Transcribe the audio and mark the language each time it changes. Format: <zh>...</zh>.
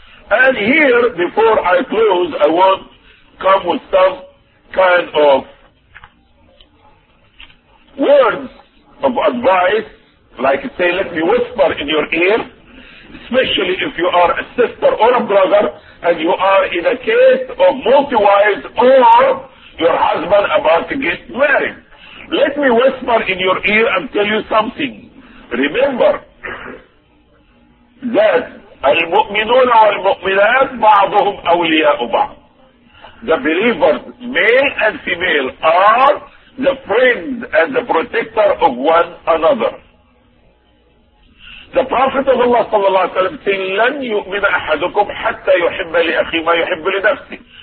<en>And here, before I close, I want to come with some kind of words of advice, like say, let me whisper in your ear, especially if you are a sister or a brother, and you are in a case of multi-wives or your husband about to get married. Let me whisper in your ear and tell you something. Remember that</en> <ar>المؤمنون والمؤمنات بعضهم أولياء بعض.</ar> <en>The believers, male and female, are the friends and the protector of one another. The Prophet of Allah</en> <ar>صلى الله عليه وسلم said, لن يؤمن أحدكم حتى يحب لأخي ما يحب لنفسه.</ar>